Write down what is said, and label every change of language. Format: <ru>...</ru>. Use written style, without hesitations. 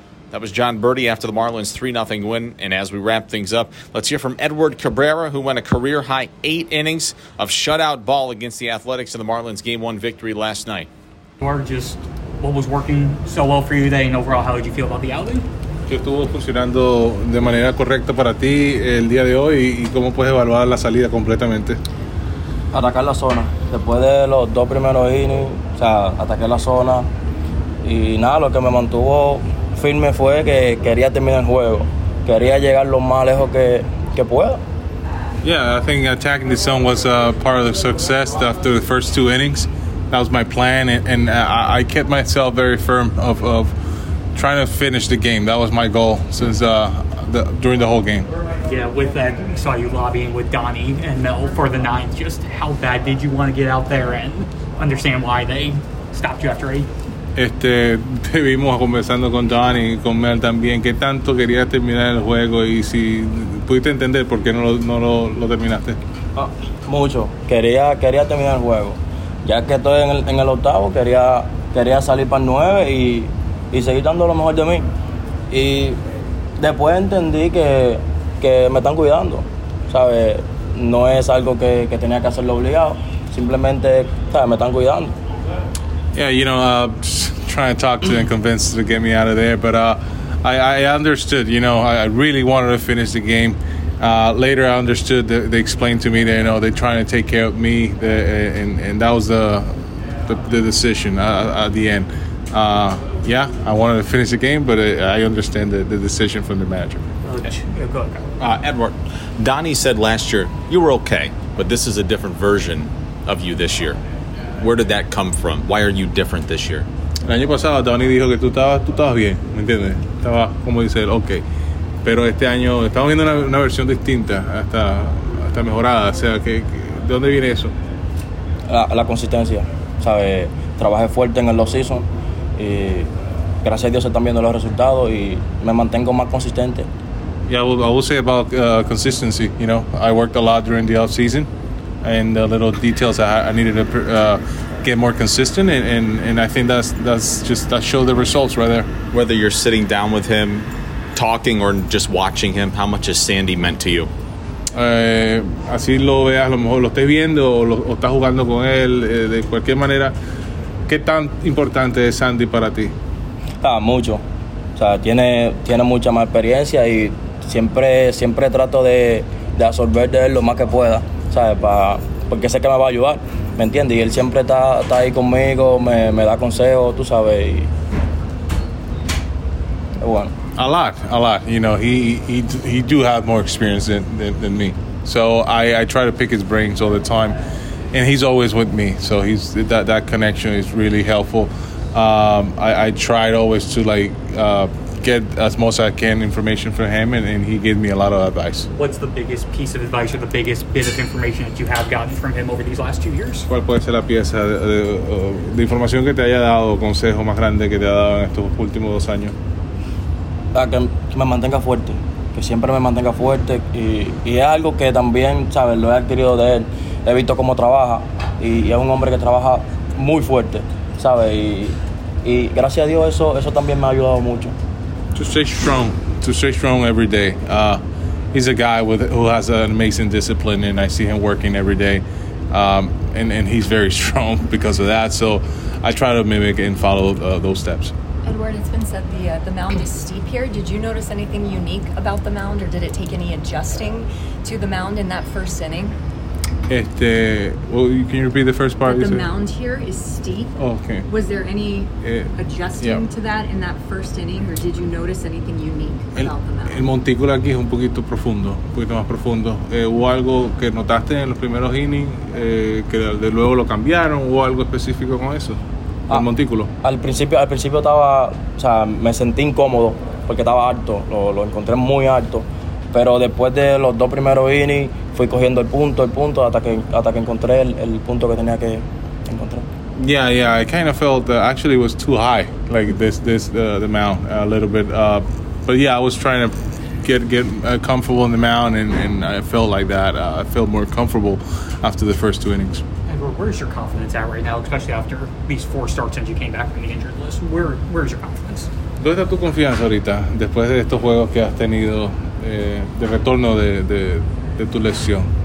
<en>That was John Birdie after the Marlins 3-0 win. And as we wrap things up, let's hear from Edward Cabrera, who went a career-high 8 innings of shutout ball against the Athletics in the Marlins Game 1 victory last night. Or just what was working so well for you today, and overall, how did you feel about the outing?</en> <es>¿Qué estuvo funcionando de manera correcta para ti el día de hoy y cómo puedes evaluar la salida completamente? Atacar la zona. Después de los 2 primeros innings, o sea, ataqué la zona. Y nada, lo que me mantuvo firme fue que quería terminar el juego. Quería llegar lo más lejos que pueda.</es> <en>Yeah, I think attacking the zone was part of the success after the first 2 innings. That was my plan, and I kept myself very firm of trying to finish the game. That was my goal since during the whole game. Yeah, with that, we saw you lobbying with Donnie and Mel for the 9th. Just how bad did you want to get out there and understand why they stopped you after 8?</en> <es>Vimos conversando con Donnie y con Mel también, que tanto quería terminar el juego, y si pudiste entender por qué no lo terminaste. Mucho. Quería terminar el juego. Ya que estoy en el octavo, quería salir para el 9 y seguir dando lo mejor de mí. Y después entendí que me están cuidando, ¿sabes? No es algo que tenía que hacerlo obligado. Simplemente, ¿sabes? Me están cuidando.</es> <en>Yeah, you know, trying to talk to and convince to get me out of there. But I understood, you know, I really wanted to finish the game. Later, I understood that they explained to me that, you know, they're trying to take care of me. And that was the decision at the end. Yeah, I wanted to finish the game, but I understand the decision from the manager. Edward, Donnie said last year, you were okay, but this is a different version of you this year. Where did that come from? Why are you different this year?</en> <es>El año pasado, Donnie dijo que tú estabas bien, ¿me entiendes? Estaba, como dice él, okay. Pero este año, estamos viendo una versión distinta, hasta mejorada. O sea, ¿de dónde viene eso? La consistencia, ¿sabes? Trabajé fuerte en el off-season. Y gracias a Dios están viendo los resultados y me mantengo más consistente.</es> <en>Yeah, I will say about consistency. You know, I worked a lot during the offseason, and the little details I needed to get more consistent, and I think that showed the results right there. Whether you're sitting down with him, talking, or just watching him, how much has Sandy meant to you?</en> <es>Así lo veas, a lo mejor lo estés viendo o estás jugando con él, de cualquier manera. ¿Qué tan importante es Sandy para ti? Ah, mucho. O sea, tiene mucha más experiencia y siempre trato de absorber de él lo más que pueda, ¿sabes? Porque sé que me va a ayudar, ¿me entiendes? Y él siempre está ahí conmigo, me da consejos, tú sabes, y es bueno.</es> <en>A lot. You know, he do have more experience than me. So I try to pick his brains all the time. And he's always with me, so he's that connection is really helpful. I tried always to get as much as I can information from him, and he gave me a lot of advice. What's the biggest piece of advice or the biggest bit of information that you have gotten from him over these last 2 years?</en> <es>¿Cuál puede ser la pieza de información que te haya dado, consejo más grande que te ha dado en estos últimos 2 años? Que me mantenga fuerte, que siempre me mantenga fuerte, y es algo que también, sabes, lo he adquirido de él. He visto cómo trabaja y es un hombre que trabaja muy fuerte, ¿sabes? Y gracias a Dios eso también me ha ayudado mucho.</es> <en>To stay strong every day. He's a guy who has an amazing discipline, and I see him working every day. And he's very strong because of that. So I try to mimic and follow those steps. Edward, it's been said the mound is steep here. Did you notice anything unique about the mound, or did it take any adjusting to the mound in that first inning? Can you repeat the first part? The mound here is steep. Oh, okay. Was there any adjusting to that in that first inning, or did you notice anything unique about the mound?</en> <es>El montículo aquí es un poquito más profundo. ¿Hubo algo que notaste en los primeros innings que de luego lo cambiaron? ¿Hubo algo específico con eso? El montículo. Al principio estaba, o sea, me sentí incómodo porque estaba alto, lo encontré muy alto, pero después de los dos primeros innings fui cogiendo el punto hasta que encontré el punto que tenía que encontrar.</es> <en>Yeah, I kind of felt that actually it was too high, like the mound a little bit, but yeah, I was trying to get comfortable in the mound and I felt like that. I felt more comfortable after the first two innings. Where is your confidence at right now, especially after these four starts since you came back from the injured list? Where is your confidence?</en> <es>¿Dónde está tu confianza ahorita después de estos juegos que has tenido de retorno de tu lesión?</es>